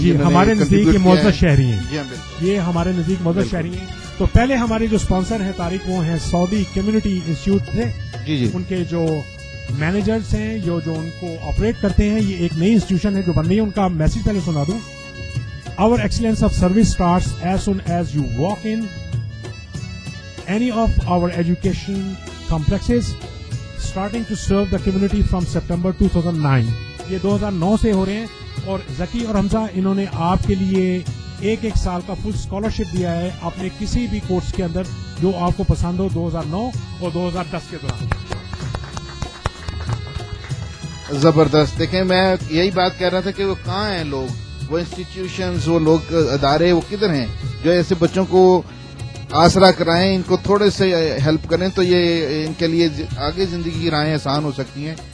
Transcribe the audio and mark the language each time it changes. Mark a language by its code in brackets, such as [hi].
[ur] جی, ہمارے نزدیک یہ معزز شہری ہیں. جی بالکل, یہ ہمارے نزدیک معزز شہری ہیں. تو پہلے ہمارے جو سپانسر ہیں طارق وہ ہیں سعودی کمیونٹی انسٹیٹیوٹ سے. جی جی. ان کے جو مینیجرز ہیں جو ان کو آپریٹ کرتے ہیں, یہ ایک نئی انسٹیٹیوشن ہے جو بن رہی ہے. ان کا میسج پہلے سنا دوں. [en] Our excellence of service starts as soon as you walk in any of our education complexes, starting to serve the community from September 2009. [ur] یہ 2009 سے ہو رہے ہیں. اور زکی اور حمزہ, انہوں نے آپ کے لیے ایک ایک سال کا فل اسکالرشپ دیا ہے اپنے کسی بھی کورس کے اندر جو آپ کو پسند ہو 2009 اور 2010 کے دوران. زبردست. دیکھیں میں یہی بات کہہ رہا تھا کہ وہ کہاں ہیں لوگ, وہ انسٹیٹیوشنز, وہ لوگ ادارے, وہ کدھر ہیں جو ایسے بچوں کو آسرا کرائیں, ان کو تھوڑے سے ہیلپ کریں تو یہ ان کے لیے آگے زندگی کی راہیں آسان ہو سکتی ہیں.